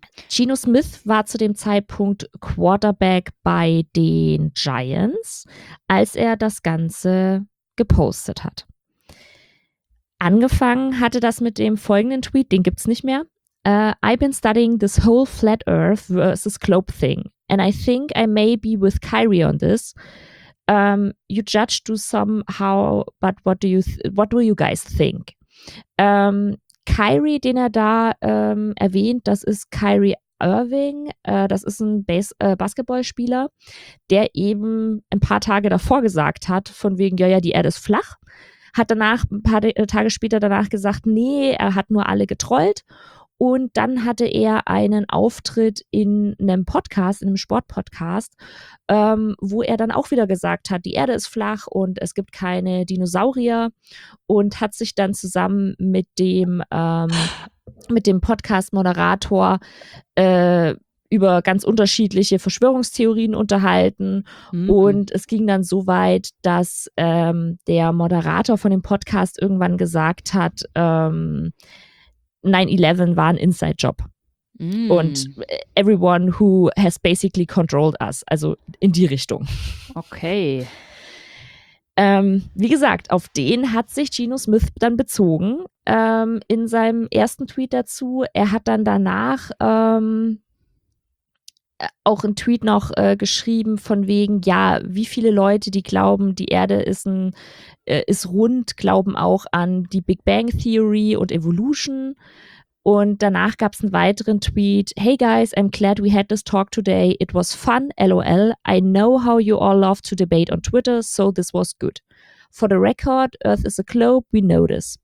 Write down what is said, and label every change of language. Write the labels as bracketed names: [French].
[German] Geno Smith war zu dem Zeitpunkt Quarterback bei den Giants, als er das Ganze gepostet hat. Angefangen hatte das mit dem folgenden Tweet, den gibt's nicht mehr. [English] I've been studying this whole flat earth versus globe thing, and I think I may be with Kyrie on this. You judge to somehow, but what do you guys think? [German] Kyrie, den er da erwähnt, das ist Kyrie Irving, das ist ein Basketballspieler, der eben ein paar Tage davor gesagt hat, von wegen, ja, die Erde ist flach, hat danach, ein paar Tage später danach gesagt, nee, er hat nur alle getrollt. Und dann hatte er einen Auftritt in einem Podcast, in einem Sportpodcast, wo er dann auch wieder gesagt hat, die Erde ist flach und es gibt keine Dinosaurier, und hat sich dann zusammen mit dem Podcast-Moderator über ganz unterschiedliche Verschwörungstheorien unterhalten. Mhm. Und es ging dann so weit, dass der Moderator von dem Podcast irgendwann gesagt hat, 9/11 war ein Inside-Job. Mm. Und [English] everyone who has basically controlled us. [German] Also in die Richtung. Okay. Wie gesagt, auf den hat sich Geno Smith dann bezogen in seinem ersten Tweet dazu. Er hat dann danach auch einen Tweet noch geschrieben von wegen, ja, wie viele Leute, die glauben, die Erde ist ist rund, glauben auch an die Big Bang Theory und Evolution. Und danach gab es einen weiteren Tweet. [English] Hey guys, I'm glad we had this talk today. It was fun, lol. I know how you all love to debate on Twitter, so this was good. For the record, Earth is a globe, we know this.